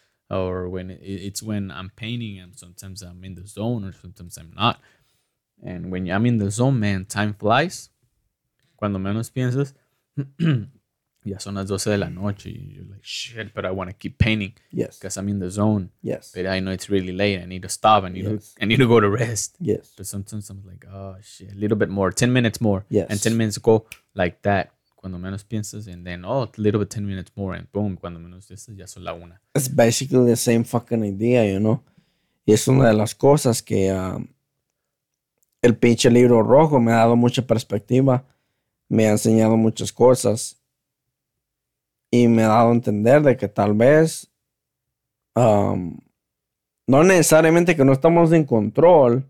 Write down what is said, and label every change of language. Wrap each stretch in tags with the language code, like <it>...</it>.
<en>Or when it's when I'm painting and sometimes I'm in the zone or sometimes I'm not. And when I'm in the zone, man, time flies.</en> <es>Cuando menos piensas, ya son las 12 de la noche.</es> <en>And you're like, shit, but I want to keep painting. Yes. Because I'm in the zone. Yes. But I know it's really late. I need to stop. I need to go to rest. Yes. But sometimes I'm like, oh, shit, a little bit more. 10 minutes more. Yes. And 10 minutes go like that.</en> <es>Cuando menos piensas.</es> <en>And then, oh, a little bit, 10 minutes more. And boom,</en> <es>cuando menos piensas, ya son la una.</es> <en>It's basically the same fucking idea, you know?</en> <es>Y es una de las cosas que el pinche libro rojo me ha dado mucha perspectiva. Me ha enseñado muchas cosas. Y me ha dado a entender de que tal vez no necesariamente que no estamos en control,</es>